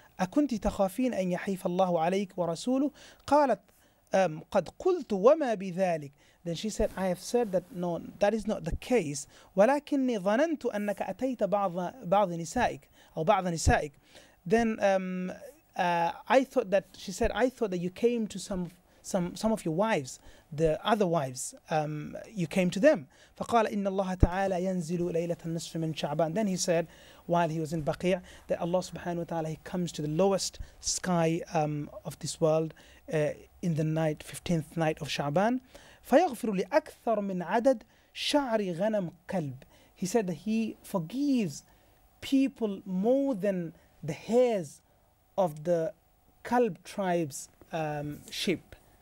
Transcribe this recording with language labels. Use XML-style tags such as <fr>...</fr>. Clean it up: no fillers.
<ar>أكنت تخافين أن يحيف الله عليك ورسوله؟ قالت قد قلت وما بذلك.</ar> <en>Then she said, I have said that no, that is not the case.</en> <ar>ولكني ظننت أنك أتيت بعض نسائك أو بعض نسائك.</ar> <en>Then I thought that, she said, I thought that you came to some of your wives, the other wives, you came to them.</en> <ar>فقال إن الله تعالى ينزل ليلة النصف من شعبان.</ar> <en>Then he said, while he was in Baqi', that Allah subhanahu wa ta'ala, he comes to the lowest sky of this world in the night, 15th night of Sha'ban.</en> <ar>فَيَغْفِرُ لِأَكْثَرُ مِنْ عَدَدْ شَعْرِ غَنَمْ قَلْبِ,</ar> <en>he said that he forgives people more than the hairs of the Kalb tribe's sheep.</en>